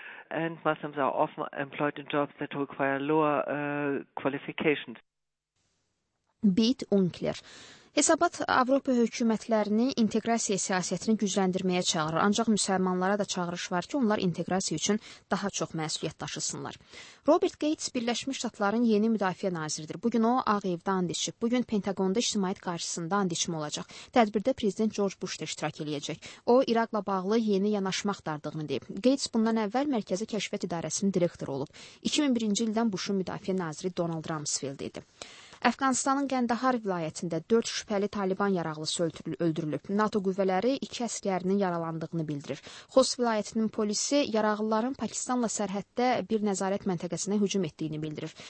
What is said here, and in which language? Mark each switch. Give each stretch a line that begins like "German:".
English: And Muslims are often employed in jobs that require lower qualifications. Beat Winkler.
Azerbaijani: Hesabat Avropa hökumətlərini inteqrasiya siyasətini gücləndirməyə çağırır, ancaq müsəlmanlara da çağırış var ki, onlar inteqrasiya üçün daha çox məsuliyyət daşısınlar. Robert Gates Birləşmiş Ştatların yeni müdafiə naziridir. Bugün o, Ağ Evdə and içib. Bugün Pentagonda ictimaiyyət qarşısında and içmə olacaq. Tədbirdə Prezident George Bush da iştirak eləyəcək. O, İraqla bağlı yeni yanaşmaq dardığını deyib. Gates bundan əvvəl Mərkəzi Kəşfiyyat İdarəsinin direktoru olub. 2001-ci ildən Bushun müdafiə naziri Donald Rumsfeld idi. Əfqanistanın Qəndahar vilayətində 4 şübhəli Taliban yaraqlısı öldürülüb. NATO qüvvələri 2 əsgərinin yaralandığını bildirir. Xos vilayətinin polisi yaraqlıların Pakistanla sərhəddə bir nəzarət məntəqəsinə hücum etdiyini bildirir.